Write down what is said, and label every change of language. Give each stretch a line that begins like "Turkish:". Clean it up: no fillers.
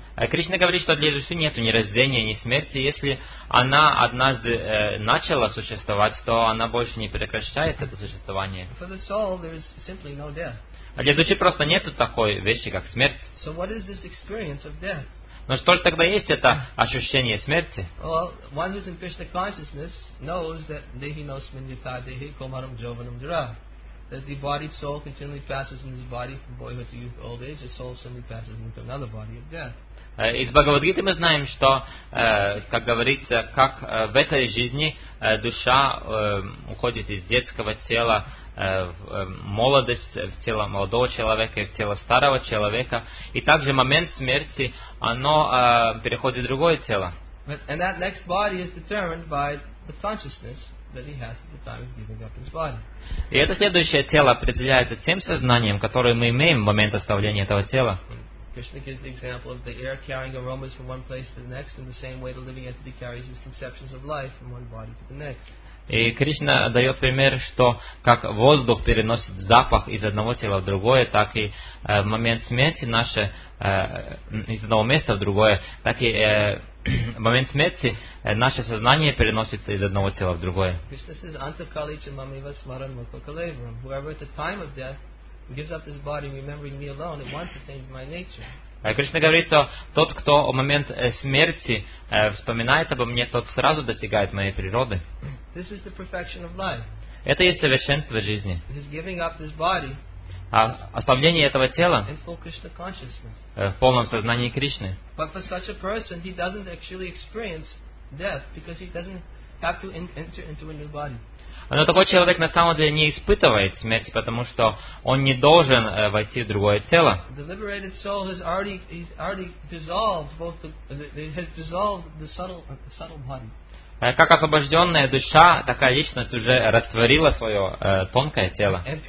Russian: Кришна говорит, что для души нет ни рождения, ни смерти. Если она однажды начала существовать, то она больше не прекращает это существование.
English: For the soul, there is simply no death.
Russian: А для души просто нет такой вещи, как смерть.
English: So what is this experience of death?
Russian: Но что же тогда есть это ощущение смерти?
English: Well, one who is in Krishna consciousness knows that
Sanskrit: dehi no smriti dehi komaram jovanam dura.
English: That the embodied soul continually passes in this body from boyhood to youth, old age. The soul simply passes into another body of death.
Russian: Из Бхагавад-гиты мы знаем, что, как говорится, как в этой жизни душа уходит из детского тела в молодость, в тело молодого человека и в тело старого человека, и также момент смерти, оно переходит в другое тело.
English: And that next body is determined by the consciousness that he has at the time of giving up his body.
Russian: И это следующее тело определяется тем сознанием, которое мы имеем в момент оставления этого тела.
English: Krishna gives the example of the air carrying aromas from one place to the next, in the same way the living entity carries his conceptions of life from one body to the next.
Russian: И Кришна дает пример, что как воздух переносит запах из одного тела в другое, так и в момент смерти наше из одного места в другое, так и в момент смерти наше сознание переносится из одного тела в другое.
English: Krishna says,
Sanskrit: Antakali chamamiva smaran mukha kalevaram.
English: Whoever at the time of death gives up his body remembering me alone, at once attains my nature.
Russian: Кришна говорит, что тот, кто в момент смерти вспоминает обо мне, тот сразу достигает моей природы.
English: This is the perfection of life.
Russian: Это есть совершенство жизни.
English: His giving up his body.
Russian: Оставление этого тела в полном сознании Кришны.
English: But for such a person, he doesn't actually experience death because he doesn't have to enter into a new body.
Russian: Но такой человек на самом деле не испытывает смерти, потому что он не должен войти в другое тело.
English: The liberated soul has already dissolved both the subtle body.
Russian: Как освобожденная душа, такая личность уже растворила свое тонкое тело.